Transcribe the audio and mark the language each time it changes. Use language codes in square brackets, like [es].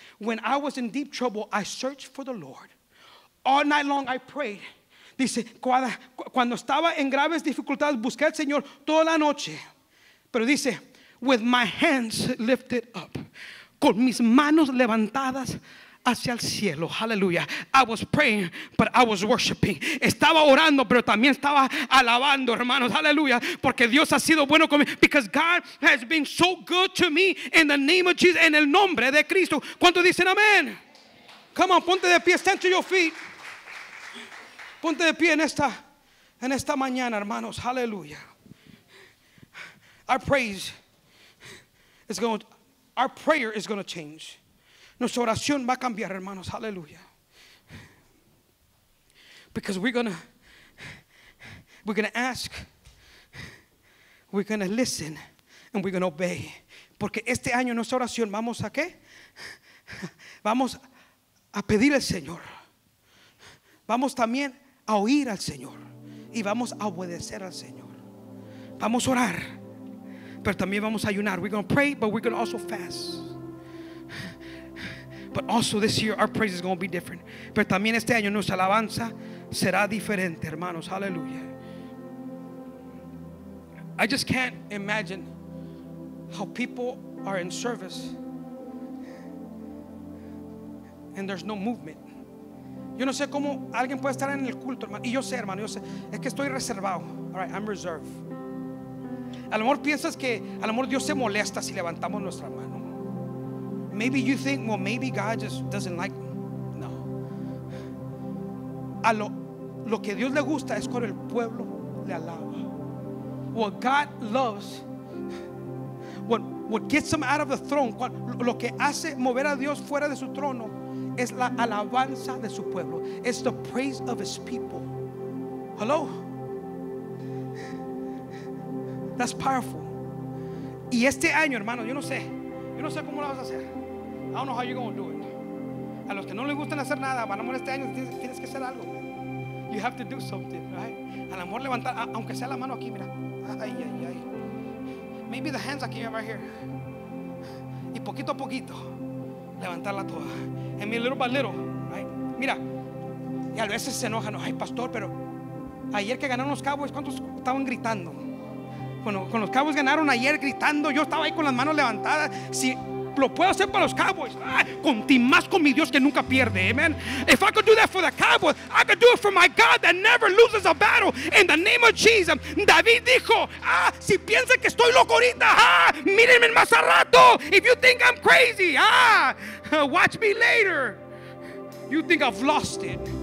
[en] When I was in deep trouble, I searched for the Lord. All night long I prayed. [es] Dice, cuando estaba en graves dificultades, busqué al Señor toda la noche. Pero dice, [en] with my hands lifted up. [es] Con mis manos levantadas hacia el cielo. Hallelujah. [en] I was praying, but I was worshiping. [es] Estaba orando, pero también estaba alabando, hermanos. Hallelujah. Porque Dios ha sido bueno conmigo. [en] Because God has been so good to me in the name of Jesus, [es] en el nombre de Cristo. ¿Cuántos dicen amén? [en] Come on, [es] ponte de pie. [en] Stand to your feet. [es] Ponte de pie en esta mañana, hermanos. Hallelujah. [en] Our prayer is going to change. [es] Nuestra oración va a cambiar, hermanos. Hallelujah. [en] Because we're going to ask, we're going to listen, and we're going to obey. [es] Porque este año nuestra oración, ¿vamos a qué? Vamos a pedir al Señor. Vamos también a oír al Señor y vamos a obedecer al Señor. Vamos a orar, pero también vamos a ayunar. [en] We're going to pray, but we're going to also fast. But also this year our praise is going to be different. [es] Pero también este año nuestra alabanza será diferente, hermanos. Hallelujah. [en] I just can't imagine how people are in service and there's no movement. [es] Yo no sé cómo alguien puede estar en el culto, hermano. Y yo sé, hermano, yo sé. Es que estoy reservado. [en] All right, I'm reserved. [es] A lo mejor piensas que a lo mejor Dios se molesta si levantamos nuestra mano. [en] Maybe you think, well, maybe God just doesn't like me. [es] No. Lo que Dios le gusta es cuando el pueblo le alaba. [en] What God loves, what gets him out of the throne, [es] lo que hace mover a Dios fuera de su trono, es la alabanza de su pueblo. [en] It's the praise of his people. Hello? That's powerful. [es] Y este año, hermano, yo no sé cómo lo vas a hacer. [en] I don't know how you're going to do it. [es] A los que no les gustan hacer nada, a lo mejor este año tienes que hacer algo. [en] You have to do something, right? [es] A lo mejor levantar, aunque sea la mano aquí, mira. Ay, ay, ay. [en] Maybe the hands [es] aquí, [en] right here. [es] Y poquito a poquito, levantarla toda. [en] And me little by little, right? [es] Mira, y a veces se enojan. Ay, pastor, pero ayer que ganaron los Cowboys, ¿cuántos estaban gritando? Bueno, con los Cowboys ganaron ayer gritando. Yo estaba ahí con las manos levantadas. Si lo puedo hacer para los Cowboys, más con mi Dios que nunca pierde. Amen. [en] If I could do that for the Cowboys, I could do it for my God that never loses a battle. In the name of Jesus. [es] David dijo, si piensa que estoy loco ahorita, mírenme más a rato. [en] If you think I'm crazy, watch me later. You think I've lost it.